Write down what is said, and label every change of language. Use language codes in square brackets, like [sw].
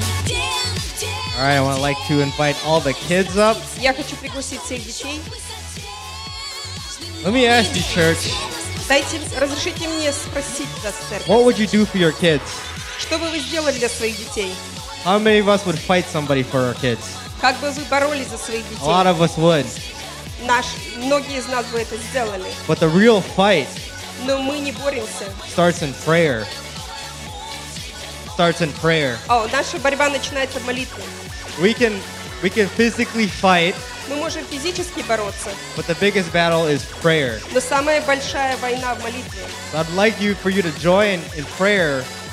[en] All right, I would like to invite all the kids up. [ru] Я хочу пригласить всех детей. [en] Let me ask you, church. [ru] Дайте, разрешите мне спросить вас, церковь. [en] What would you do for your kids? [ru] Что бы вы сделали для своих детей? [en] How many of us would fight somebody for our kids? [ru] Как бы вы боролись за своих детей? [en] A lot of us would. [ru] Многие из нас бы это сделали. [en] But the real fight. [ru] Но мы не боремся. [en] Starts in prayer. Starts in prayer. [ru] Oh, наша борьба начинается в молитве. [en] We can physically fight. [ru] Мы можем физически бороться. [en] But the biggest battle is prayer. [ru] Но самая большая война в молитве. [en] So I'd like for you to join in prayer.